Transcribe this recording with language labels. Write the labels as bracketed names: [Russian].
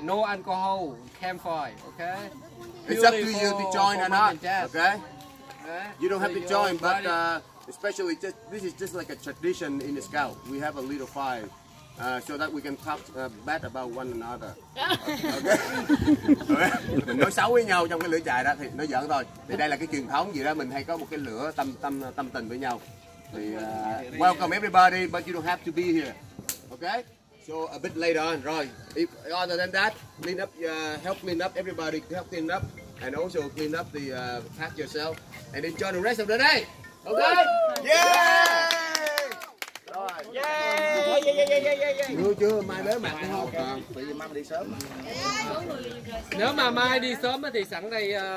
[English] No alcohol, campfire, okay? It's up to you to join or not, okay? You don't have to join, but especially this is just like a tradition in the scout. We have a little fire so that we can talk bad about one another. Okay. [Vietnamese] Mình nói xấu với nhau trong cái lửa chạy đó thì nó giỡn thôi. Thì đây là cái truyền thống gì đó, mình hay có một cái lửa tâm tình với nhau. [English] Thì welcome everybody, but you don't have to be here. Okay? So a bit later on, rồi. If other than that, clean up, help clean up everybody, help clean up, and also clean up the pack yourself, and enjoy the rest of the day. Okay? Yeah. [Vietnamese] Nếu chưa mai bế mạc không? Vậy thì mai đi sớm. Nếu mà mai đi sớm thì sẵn đây.